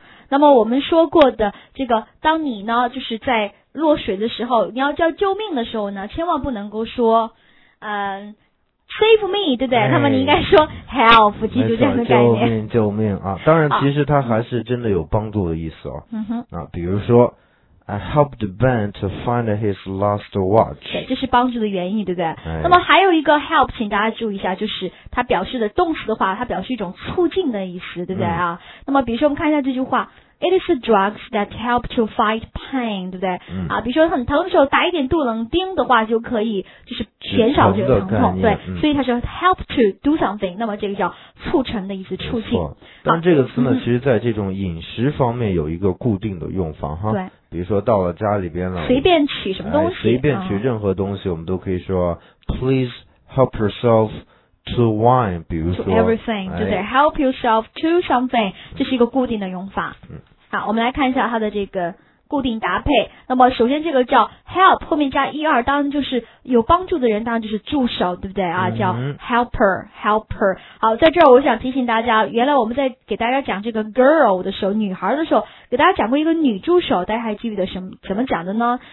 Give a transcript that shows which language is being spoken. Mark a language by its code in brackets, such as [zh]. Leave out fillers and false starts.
[zh] 那么我们说过的这个，当你呢就是在落水的时候，你要叫救命的时候呢，千万不能够说， [en] save me， [zh] 对不对？哎、那么你应该说 help， 记住这样的概念。救命，救命啊！当然，其实它还是真的有帮助的意思哦。嗯哼。 [en] 啊， [zh] 比如说 [en] ，I helped Ben to find his lost watch。 [zh] 对，这是帮助的原意，对不对、哎？那么还有一个 help， 请大家注意一下，就是它表示的动词的话，它表示一种促进的意思，对不对啊？嗯、那么比如说，我们看一下这句话。 [en] It is the drugs that help to fight pain， [zh] 对不对、嗯？啊，比如说很疼的时候，打一点杜冷丁的话，就可以就是减少这个疼痛，对、嗯。所以他说 [en] help to do something， [zh] 那么这个叫促成的意思，促进。但这个词呢、啊，其实在这种饮食方面有一个固定的用法、嗯、哈。对。比如说到了家里边了，随便取什么东西，哎、随便取任何东西，嗯、我们都可以说 [en] please help yourself。 To wine， [zh] 比如说 to everything， 就是 [en] help yourself to something， [zh] 这是一个固定的用法。嗯，好，我们来看一下它的这个固定搭配。那么首先这个叫 help， 后面加 er， 当然就是有帮助的人，当然就是助手，对不对啊？叫 helper。好，在这儿我想提醒大家，原来我们在给大家讲这个 girl 的时候，女孩的时候，给大家讲过一个女助手，大家还记得什么怎么讲的呢？